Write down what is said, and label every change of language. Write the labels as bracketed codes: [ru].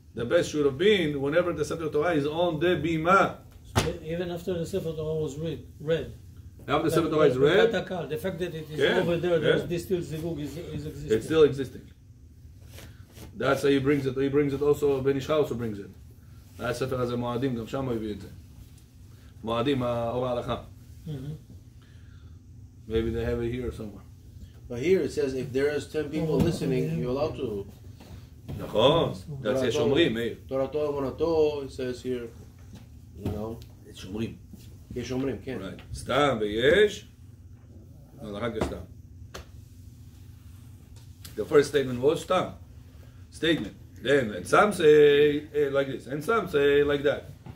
[en] The best should have been whenever the Sefer Torah is on the Bima. So even after the Sefer Torah was read. After the Sefer Torah is read. The fact that it is over there, this still Zivug is existing. It's still existing. That's how he brings it. He brings it also, Ben Ishchai also brings it. [he] היה ספר הזה מועדים, גם שם הוא הביא את זה. מועדים, אור ההלכה. [en] Maybe they have it here somewhere. But here it says, if there is 10 people listening, you're allowed to. [he] נכון, [en] that's [he] יש שומרים, מאיר. תורתו אמונתו, [en] it says here, you know. [he] יש שומרים. יש שומרים, כן. סתם ויש, הלכה כסתם. [en] The first statement was סתם. Statement. Then, and some say like this, and some say like that.